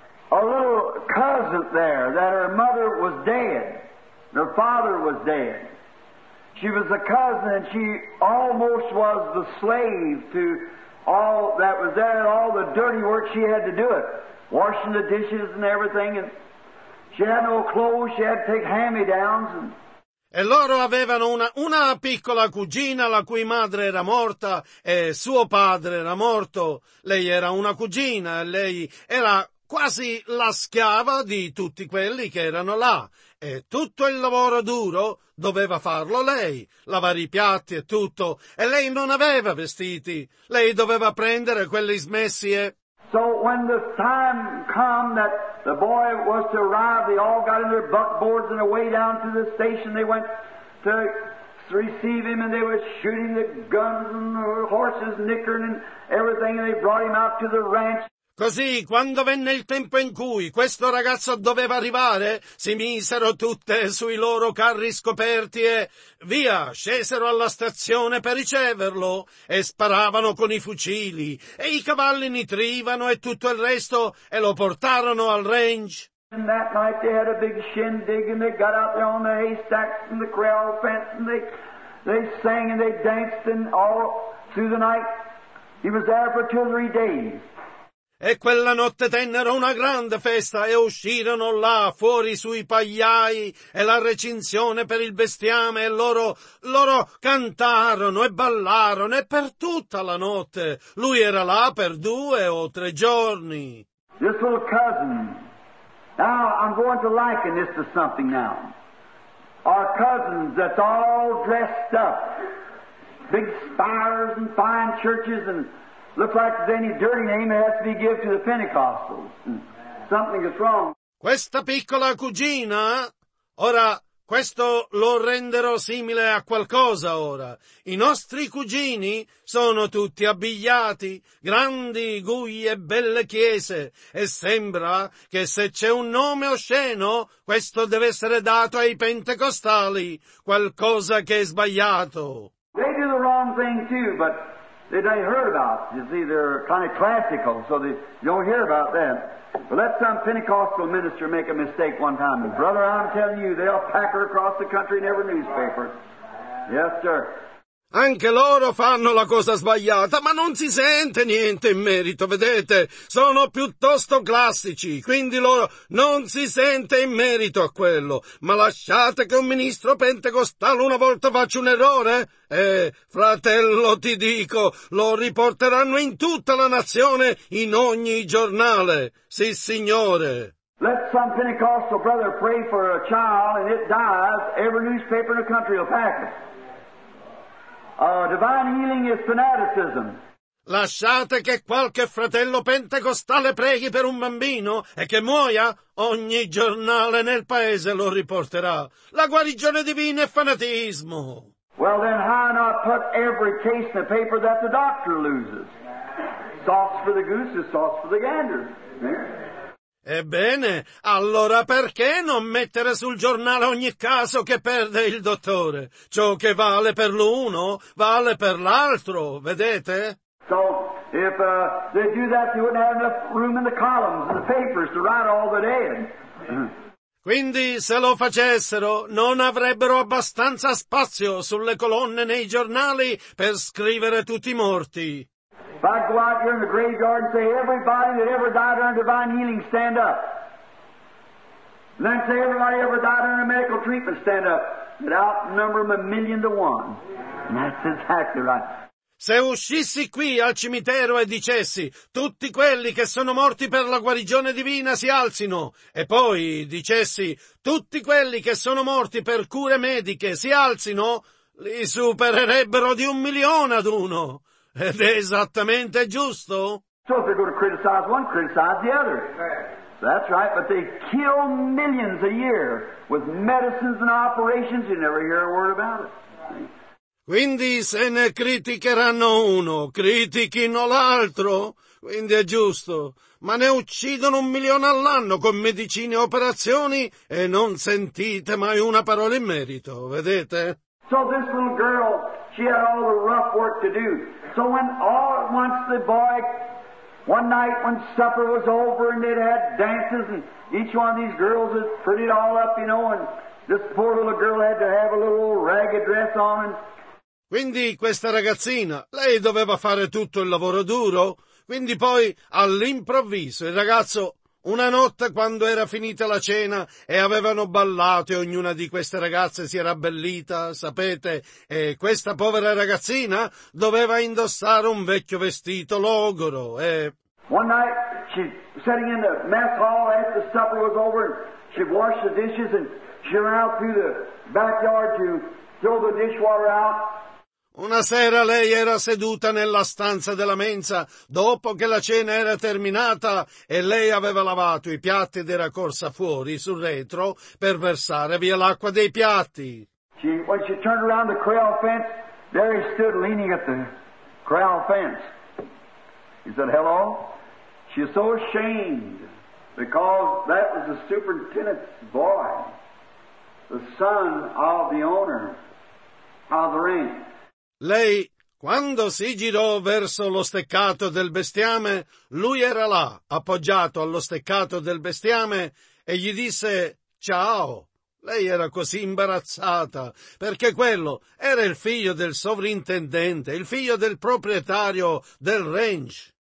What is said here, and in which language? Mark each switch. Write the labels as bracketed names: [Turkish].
[English] A little cousin there that her mother was dead, her father was dead. She was a cousin and she almost was the slave to all that was there and all the dirty work she had to do it, washing the dishes and everything, and she had no clothes, she had to take hand-me-downs and... [Italian] E loro avevano una piccola cugina la cui madre era morta e suo padre era morto. Lei era una cugina e lei era quasi la schiava di tutti quelli che erano là, e tutto il lavoro duro doveva farlo lei, lavare i piatti e tutto, e lei non aveva vestiti, lei doveva prendere quelli smessi e... [English] So when the time come that the boy was to arrive, they all got in their buckboards and away down to the station they went to receive him, and they were shooting the guns and the horses nickering and everything, and they brought him out to the ranch. [Italian] Così, quando venne il tempo in cui questo ragazzo doveva arrivare, si misero tutte sui loro carri scoperti e via, scesero alla stazione per riceverlo, e sparavano con i fucili, e i cavalli nitrivano e tutto il resto, e lo portarono al range. [English] And that night they had a big shindig and they got out there on the haystacks and the corral fence and they sang and they danced and all through the night. He was there for two or three days. [Italian] E quella notte tennero una grande festa e uscirono là fuori sui pagliai e la recinzione per il bestiame e loro cantarono e ballarono e per tutta la notte. Lui era là per due o tre giorni. [English] This little cousin, now I'm going to liken this to something now. Our cousins that's all dressed up, big spires and fine churches and look like there's any dirty name that has to be given to the Pentecostals. Something is wrong. [Italian] Questa piccola cugina, ora questo lo renderò simile a qualcosa ora. I nostri cugini sono tutti abbigliati, grandi guglie, belle chiese, e sembra che se c'è un nome osceno, questo deve essere dato ai pentecostali, qualcosa che è sbagliato. [English] They do the wrong thing too, but that they heard about. You see, they're kind of classical, so they don't hear about that. But let some Pentecostal minister make a mistake one time. And brother, I'm telling you, they'll pack her across the country in every newspaper. Yes, sir. [Italian] Anche loro fanno la cosa sbagliata, ma non si sente niente in merito, vedete? Sono piuttosto classici, quindi loro non si sente in merito a quello. Ma lasciate che un ministro pentecostale una volta faccia un errore? Fratello, ti dico, lo riporteranno in tutta la nazione, in ogni giornale. Sì, signore. [English] Let some Pentecostal brother pray for a child and it dies, every newspaper in the country will pack it. Divine healing is fanaticism. [Italian] Lasciate che qualche fratello pentecostale preghi per un bambino e che muoia, ogni giornale nel paese lo riporterà. La guarigione divina è fanatismo. [English] Well then, why not put every case in the paper that the doctor loses? Sauce for the goose is sauce for the gander. [Italian] Ebbene, allora perché non mettere sul giornale ogni caso che perde il dottore? Ciò che vale per l'uno, vale per l'altro, vedete? [English] So, if they do that, they wouldn't have enough room in the columns and the papers to write all the dead. [Italian] Quindi, se lo facessero, non avrebbero abbastanza spazio sulle colonne nei giornali per scrivere tutti i morti. [English] If I go out here in the graveyard and say, everybody that ever died under divine healing, stand up. And then say, everybody ever died under medical treatment, stand up. And outnumber them a million to one. And that's exactly right. [Italian] Se uscissi qui al cimitero e dicessi, tutti quelli che sono morti per la guarigione divina si alzino, e poi dicessi, tutti quelli che sono morti per cure mediche si alzino, li supererebbero di un milione ad uno. Ed è esattamente giusto. [English] So if they're going to criticize one, criticize the other. That's right, but they kill millions a year with medicines and operations. You never hear a word about it. [Italian] Quindi se ne criticheranno uno, critichino l'altro. Quindi è giusto. Ma ne uccidono un milione all'anno con medicine e operazioni e non sentite mai una parola in merito, vedete? [English] So this little girl, she had all the rough work to do. So when all at once the boy, one night when supper was over and they'd had dances and each one of these girls had prettied all up, you know, and this poor little girl had to have a little ragged dress on. [Italian] Quindi questa ragazzina, lei doveva fare tutto il lavoro duro, quindi poi all'improvviso il ragazzo, una notte quando era finita la cena e avevano ballato e ognuna di queste ragazze si era abbellita, sapete, e questa povera ragazzina doveva indossare un vecchio vestito logoro e... [English] One night she was sitting in the mess hall after supper was over and she washed the dishes and she ran out through the backyard to throw the dishwater out. [Italian] Una sera lei era seduta nella stanza della mensa, dopo che la cena era terminata e lei aveva lavato i piatti ed era corsa fuori sul retro per versare via l'acqua dei piatti. [English] When she turned around the corral fence, there he stood leaning at the corral fence. He said, hello? She was so ashamed because that was the superintendent's boy, the son of the owner of the ranch. [Italian] Lei, quando si girò verso lo steccato del bestiame, lui era là, appoggiato allo steccato del bestiame, e gli disse, ciao. Lei era così imbarazzata, perché quello era il figlio del sovrintendente, il figlio del proprietario del ranch.